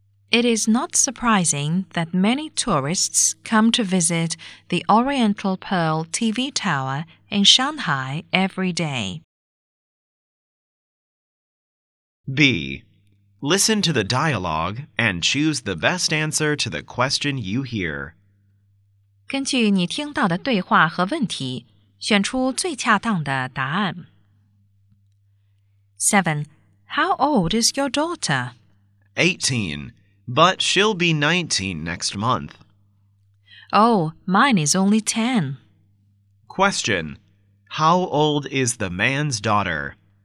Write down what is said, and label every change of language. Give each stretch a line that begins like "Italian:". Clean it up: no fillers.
English: It is not surprising that many tourists come to visit the Oriental Pearl TV Tower in Shanghai every day. B. Listen to the dialogue and choose the best answer to the question you hear.
Chinese: 根据你听到的对话和问题，选出最恰当的答案。
English: 7. How old is your daughter? 18, but she'll be 19 next month. Oh, mine is only 10. Question. How old is the man's daughter?